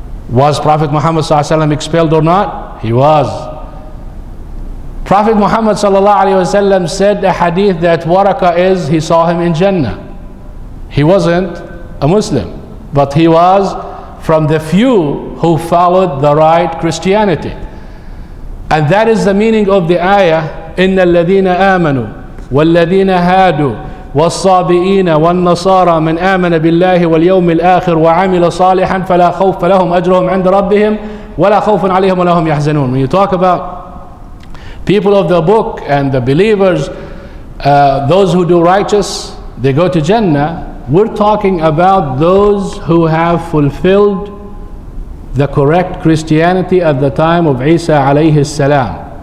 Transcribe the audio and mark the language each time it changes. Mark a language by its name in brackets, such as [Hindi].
[English] Was Prophet Muhammad sallallahu alaihi wasallam expelled or not? He was. Prophet Muhammad sallallahu alaihi wasallam said a hadith that Waraka is, he saw him in Jannah. He wasn't a Muslim, but he was from the few who followed the right Christianity. And that is the meaning of the ayah, [Arabic] إِنَّ الَّذِينَ آمَنُوا وَالَّذِينَ هَادُوا والصابئين والنصارى من آمن بالله واليوم الآخر وعمل صالحا فلا خوف لهم أجرهم عند ربهم ولا خوف عليهم ولا هم يحزنون. [English] When you talk about people of the book and the believers, those who do righteous, they go to Jannah. We're talking about those who have fulfilled the correct Christianity at the time of Isa alayhi salam.